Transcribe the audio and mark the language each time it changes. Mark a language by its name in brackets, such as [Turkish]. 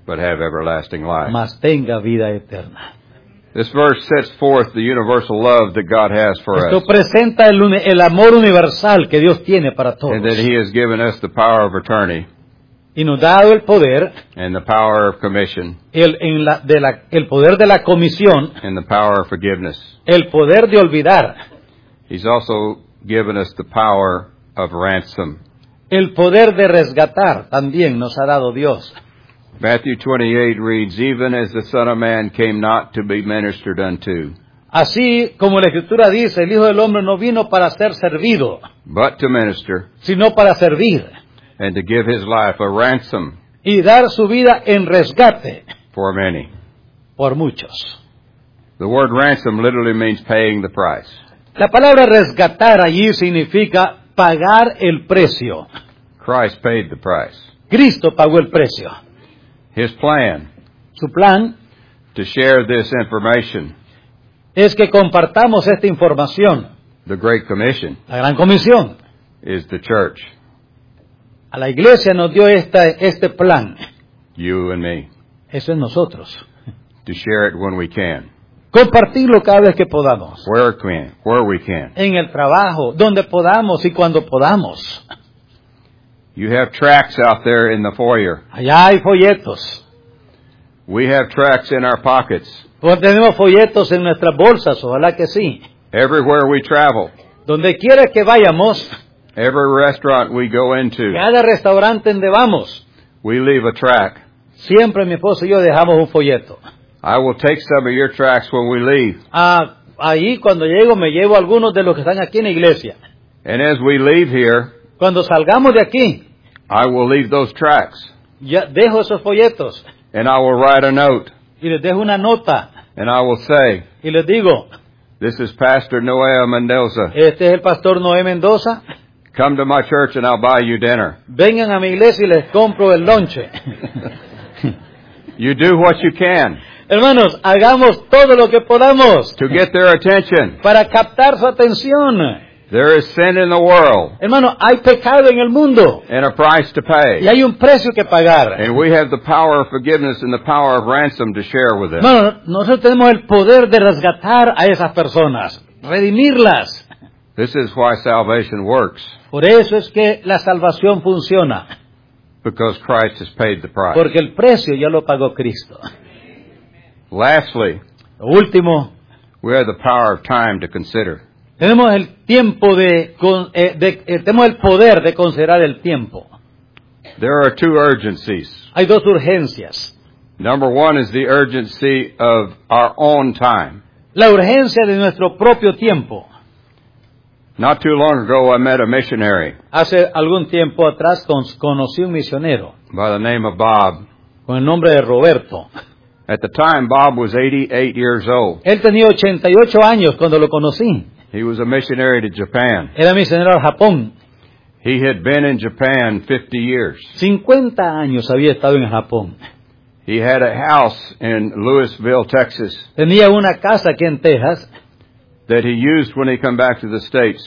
[English] But have everlasting life. [Spanish] Mas tenga vida eterna. [English] This verse sets forth the universal love that God has for [Spanish] us. Esto presenta el amor universal que Dios tiene para todos. [English] And that he has given us the power of attorney. [Spanish] Y nos ha dado el poder. [English] And the power of commission. [Spanish] El poder de la comisión. [English] And the power of forgiveness. [Spanish] El poder de olvidar. [English] He's also given us the power of ransom. [Spanish] El poder de rescatar también nos ha dado Dios. [English] Matthew 28 reads, even as the Son of Man came not to be ministered unto. [Spanish] Así como la Escritura dice, el Hijo del Hombre no vino para ser servido. [English] But to minister. [Spanish] Sino para servir. [English] And to give his life a ransom. [Spanish] Y dar su vida en rescate. [English] For many. [Spanish] Por muchos. [English] The word ransom literally means paying the price. [Spanish] La palabra rescatar allí significa pagar el precio. [English] Christ paid the price. [Spanish] Cristo pagó el precio. [English] His plan, [Spanish] su plan [English] to share this information [Spanish] es que compartamos esta información. [English] The Great Commission, [Spanish] la Gran Comisión, [English] is the church. [Spanish] A la iglesia nos dio este plan. [English] You and me. [Spanish] Eso es nosotros. [English] To share it when we can. [Spanish] Compartirlo cada vez que podamos. [English] Where we can. [Spanish] En el trabajo, donde podamos y cuando podamos. [English] You have tracts out there in the foyer. [Spanish] Allá hay folletos. [English] We have tracts in our pockets. [Spanish] Pues tenemos folletos en nuestras bolsas, ojalá que sí. [English] Everywhere we travel. [Spanish] Donde quiera que vayamos. [English] Every restaurant we go into. [Spanish] Cada restaurante donde vamos. [English] We leave a tract. [Spanish] Siempre mi esposo y yo dejamos un folleto. [English] I will take some of your tracts when we leave. [Spanish] Ahí cuando llego me llevo algunos de los que están aquí en la iglesia. [English] And as we leave here. [Spanish] Cuando salgamos de aquí, [English] I will leave those tracks. [Spanish] Ya dejo esos folletos. [English] And I will write a note. [Spanish] Y les dejo una nota. [English] And I will say. [Spanish] Y les digo. [English] This is Pastor Noé Mendoza. [Spanish] Este es el Pastor Noé Mendoza. [English] Come to my church and I'll buy you dinner. [Spanish] Vengan a mi iglesia y les compro el lonche. [English] You do what you can. [Spanish] Hermanos, hagamos todo lo que podamos. [English] To get their attention. [Spanish] Para captar su atención. [English] There is sin in the world. [Spanish] Hermano, hay pecado en el mundo. [English] And a price to pay. [Spanish] Y hay un precio que pagar. [English] And we have the power of forgiveness and the power of ransom to share with them. [Spanish] Hermano, nosotros tenemos el poder de rescatar a esas personas, redimirlas. [English] This is why salvation works. [Spanish] Por eso es que la salvación funciona. [English] Because Christ has paid the price. [Spanish] Porque el precio ya lo pagó Cristo. [English] Lastly, [Spanish] lo último, [English] we have the power of time to consider. [Spanish] Tenemos el tiempo tenemos el poder de considerar el tiempo. [English] There are two urgencies. [Spanish] Hay dos urgencias. [English] Number one is the urgency of our own time. [Spanish] La urgencia de nuestro propio tiempo. [English] Not too long ago, I met a missionary. [Spanish] Hace algún tiempo atrás conocí un misionero. [English] By the name of Bob. [Spanish] Con el nombre de Roberto. [English] At the time, Bob was 88 years old. [Spanish] Él tenía 88 años cuando lo conocí. [English] He was a missionary to Japan. [Spanish] Era misionero al Japón. [English] He had been in Japan 50 years. [Spanish] 50 años había estado en Japón. [English] He had a house in Louisville, Texas. [Spanish] Tenía una casa aquí en Texas. [English] That he used when he came back to the States